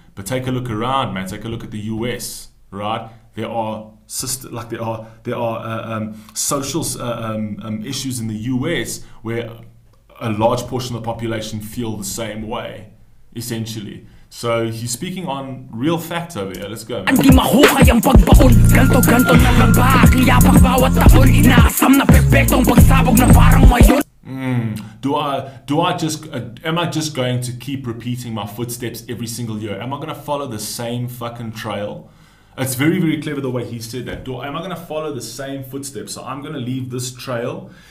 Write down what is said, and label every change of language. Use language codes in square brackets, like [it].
[en] But take a look around, man. Take a look at the US, right? There are system, like there are social issues in the US where a large portion of the population feel the same way, essentially. So he's speaking on real facts over here. Let's go. [tl] Hindi mahuhay ang pagbaon, ganto ganto na lang ba? Kaya pag bawat taon, inaasam na perpektong pagsabog na parang mayon. [en] Am I just going to keep repeating my footsteps every single year? Am I going to follow the same fucking trail? It's very, very clever the way he said that. Am I going to follow the same footsteps? So I'm going to leave this trail.